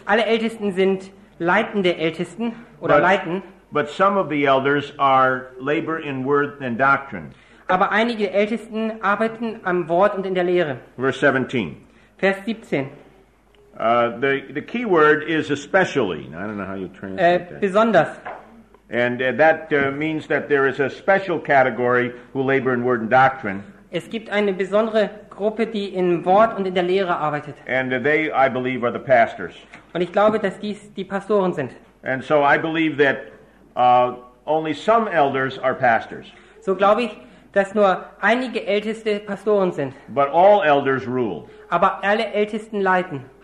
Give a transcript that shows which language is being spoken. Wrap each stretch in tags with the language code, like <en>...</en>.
<de>Alle Ältesten sind leitende Ältesten oder leiten.</de> <en>But some of the elders are labor in word and doctrine.</en> <de>Aber einige Ältesten arbeiten am Wort und in der Lehre.</de> <en>Verse 17.</en> <de>Vers 17.</de> <en>The key word is especially. I don't know how you translate that.</en> <de>Besonders.</de> <en>And that means that there is a special category who labor in word and doctrine.</en> <de>Es gibt eine besondere Gruppe, die im Wort und in der Lehre arbeitet.</de> <en>And they, I believe, are the pastors.</en> <de>Und ich glaube, dass dies die Pastoren sind.</de> <en>And so I believe that only some elders are pastors.</en> <de>So glaube ich, dass nur einige Älteste Pastoren sind.</de> <en>But all elders rule.</en> <de>Aber alle Ältesten leiten.</de>